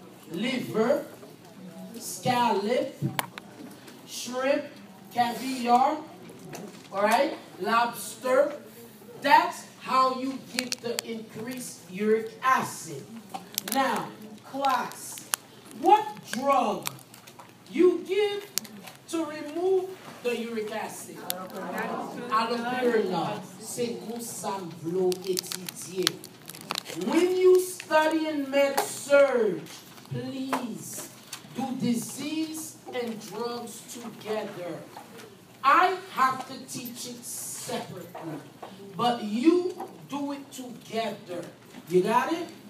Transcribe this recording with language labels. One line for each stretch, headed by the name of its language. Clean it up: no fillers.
English: Liver, scallop, shrimp, caviar, all right, lobster. That's how you get the increased uric acid. Now, class, what drug you give to remove the uric acid? Allopurinol.
French: C'est comme ça vous étudiez.
English: When you study in med-surg, please do disease and drugs together. I have to teach it separately, but you do it together. You got it?